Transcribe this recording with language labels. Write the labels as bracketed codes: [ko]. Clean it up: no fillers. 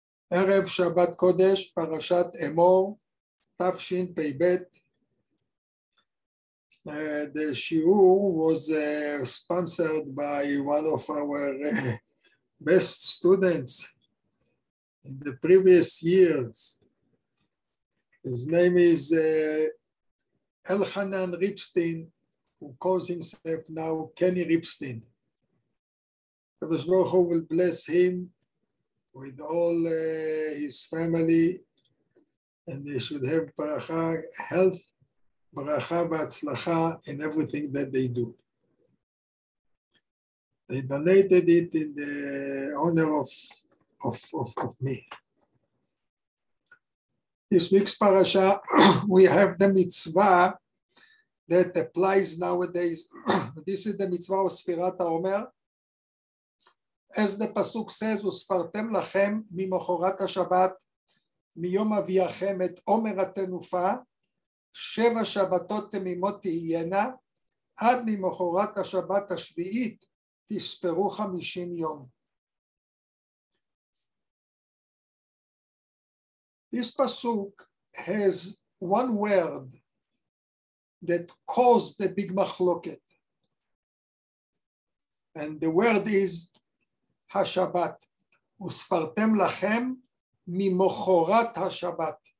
[he] ערב שבת קודש, פרשת אמור, תפשין פי בית. [en] The shiur was sponsored by one of our best students in the previous years. His name is Elchanan Ripstein, who calls himself now Kenny Ripstein. Kadosh Baruch Hu will bless him with all his family, and they should have barakha, health, barakha v'atzlacha in everything that they do. They donated it in the honor of me. This week's parasha, we have the mitzvah that applies nowadays. This is the mitzvah of Sfirat HaOmer. As the pasuk says, [he] וספרתם לכם ממחרת השבת, מיום אביאכם את עומר התנופה, שבע שבתות תמימות תהיינה, עד ממחרת השבת השביעית תספרו 50 יום. [en] This pasuk has one word that caused the big machloket. And the word is [he] השבת. וספרתם לכם ממחרת השבת.